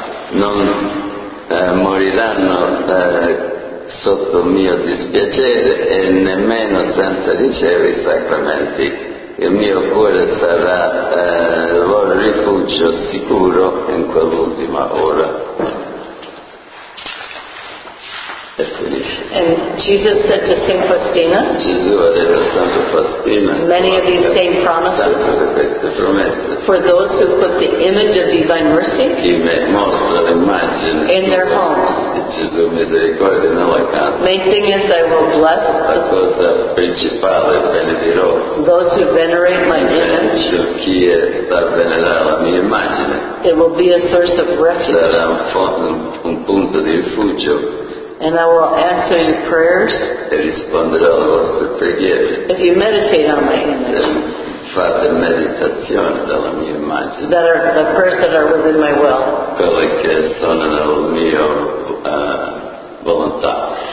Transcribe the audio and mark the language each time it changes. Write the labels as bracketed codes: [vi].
[it] Non moriranno sotto mio dispiacere e nemmeno senza ricevere i sacramenti. Il mio cuore sarà il loro rifugio sicuro in quell'ultima ora. E finisce. [en] And Jesus said to Saint Faustina. [it] Gesù ha detto a Santa Faustina. [en] Many of these same promises. [it] Tante di queste promesse. [en] For those who put the image of divine mercy. [it] Chi mostra l'immagine. [en] In their homes. [it] Gesù misericordia nella casa. [en] Main thing is I will bless. [it] La cosa principale benedirò. [en] Those who venerate my image. [it] Chi sta venerando la mia immagine. [en] It will be a source of refuge. [it] Sarà un punto di rifugio. [en] And I will answer your prayers. [it] E risponderò alle vostre preghiere. [en] If you meditate on my image. [it] Fate meditazione della mia immagine. [en] That are the prayers that are within my will. [it] Quelle che sono nel mio volontà.